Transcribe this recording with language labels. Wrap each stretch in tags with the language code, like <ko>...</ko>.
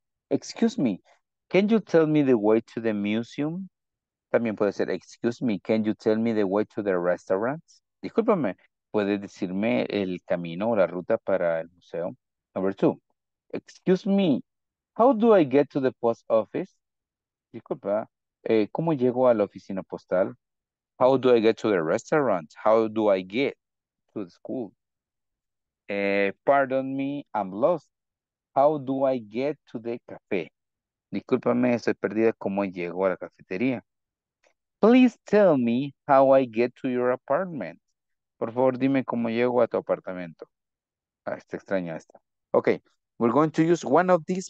<en>Excuse me, can you tell me the way to the museum?</en> <es>También puede ser,</es> <en>excuse me, can you tell me the way to the restaurant?</en> <es>Discúlpame, ¿puede decirme el camino o la ruta para el museo?</es> <en>Number two, excuse me, how do I get to the post office?</en> <es>Disculpa, ¿cómo llego a la oficina postal?</es> <en>How do I get to the restaurant? How do I get to the school? Pardon me, I'm lost. How do I get to the cafe?</en> <es>Discúlpame, estoy perdida. ¿Cómo llego a la cafetería?</es> <en>Please tell me how I get to your apartment.</en> <es>Por favor, dime cómo llego a tu apartamento. Ah, está extraña esta.</es> <en>Ok, we're going to use one of these.</en>